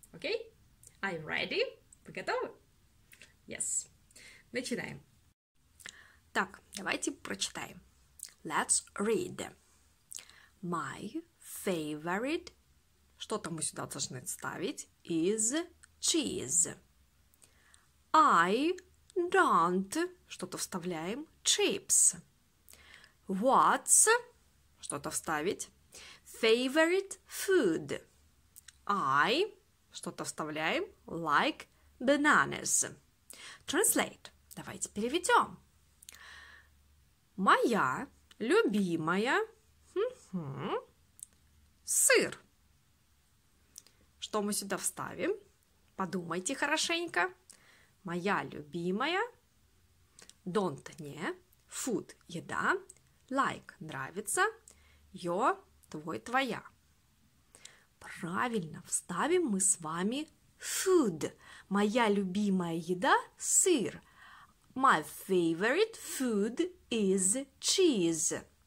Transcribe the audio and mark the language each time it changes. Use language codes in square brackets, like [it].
[en] Окей? Okay? Are you ready? [ru] Вы готовы? [en] Yes. [ru] Начинаем. Так, давайте прочитаем. [en] Let's read. My favorite, [ru] что там мы сюда должны ставить, [en] is cheese. I don't, [ru] что-то вставляем, [en] chips. What's, [ru] что-то вставить, [en] favorite food. I, [ru] что-то вставляем, [en] like bananas. Translate, [ru] давайте переведем. Моя Любимая. Сыр. Что мы сюда вставим? Подумайте хорошенько. Моя любимая. [en] Don't [ru] не. [en] Food [ru] – еда. [en] Like [ru] – нравится. [en] Your [ru] – твой, твоя. Правильно, вставим мы с вами food. Моя любимая еда – сыр. [en] My favorite food is cheese.